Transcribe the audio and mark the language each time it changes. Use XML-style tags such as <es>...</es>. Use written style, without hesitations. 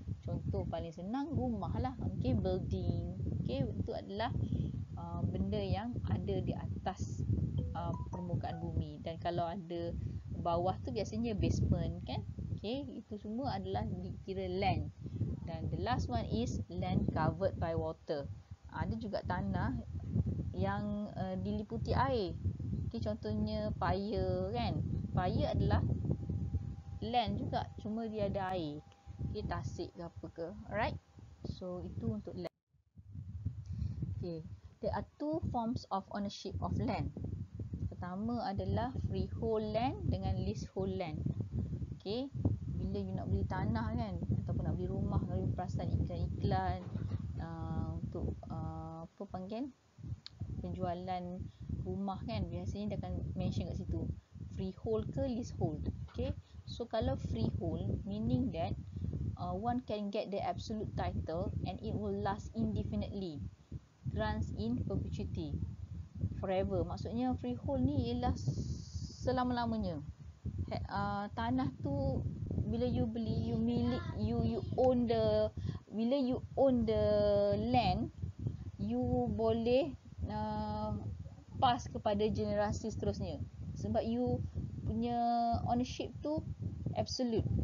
<ms>Contoh paling senang, rumah lah. Okay, building. Okay, itu adalah benda yang ada di atas permukaan bumi. Dan kalau ada bawah tu, biasanya basement kan. Okay, itu semua adalah dikira land.</ms> <en>Dan the last one is land covered by water.</en> <ms>Ada juga tanah yang diliputi air. Okay, contohnya paya kan. Paya adalah land juga, cuma dia ada air. Okay, tasik ke apa ke. Alright, so itu untuk land.</ms> <en>Okay, there are two forms of ownership of land.</en> <ms>Pertama adalah freehold land dengan leasehold land. Okay, bila you nak beli tanah kan, ataupun nak beli rumah, nak beli perasan iklan-iklan untuk apa panggil, penjualan rumah kan, biasanya dia akan mention kat situ freehold ke leasehold.</ms> <en>Okay, so kalau freehold, meaning that one can get the absolute title and it will last indefinitely, grants in perpetuity, forever.</en> <ms>Maksudnya freehold ni ialah selama-lamanya. Tanah tu bila you beli, you milik,</ms> <en>you own the land,</en> <ms>you boleh pass kepada generasi seterusnya sebab you punya ownership tu absolute.</ms>